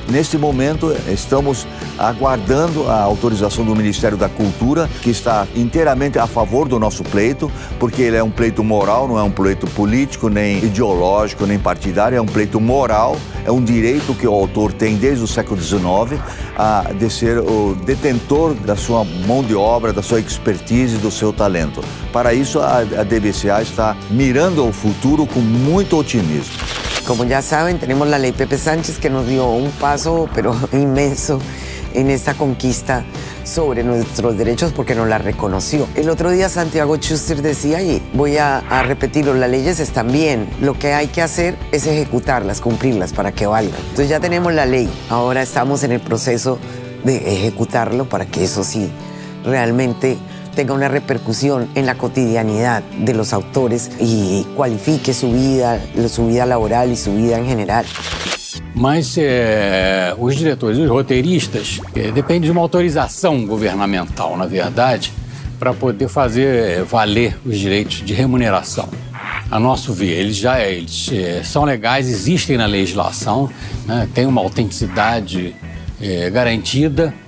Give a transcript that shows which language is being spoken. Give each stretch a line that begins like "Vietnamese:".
Portuguese: Neste momento, estamos aguardando a autorização do Ministério da Cultura, que está inteiramente a favor do nosso pleito, porque ele é um pleito moral, não é um pleito político, nem ideológico, nem partidário, é um pleito moral, é um direito que o autor tem desde o século XIX, de ser o detentor da sua mão de obra, da sua expertise, do seu talento. Para isso, a DBCA está mirando o futuro com muito otimismo.
Spanish: Como ya saben, tenemos la ley Pepe Sánchez que nos dio un paso, pero inmenso, en esta conquista sobre nuestros derechos porque nos la reconoció. El otro día Santiago Schuster decía, y voy a repetirlo, las leyes están bien, lo que hay que hacer es ejecutarlas, cumplirlas para que valgan. Entonces ya tenemos la ley, ahora estamos en el proceso de ejecutarlo para que eso sí realmente tenga una repercusión en la cotidianidad de los autores y cualifique su vida laboral y su vida en general.
Portuguese: Mas os diretores, os roteiristas, depende de uma autorização governamental, na verdade, para poder fazer valer os direitos de remuneração. A nosso ver, eles são legais, existem na legislação, né, tem uma autenticidade garantida.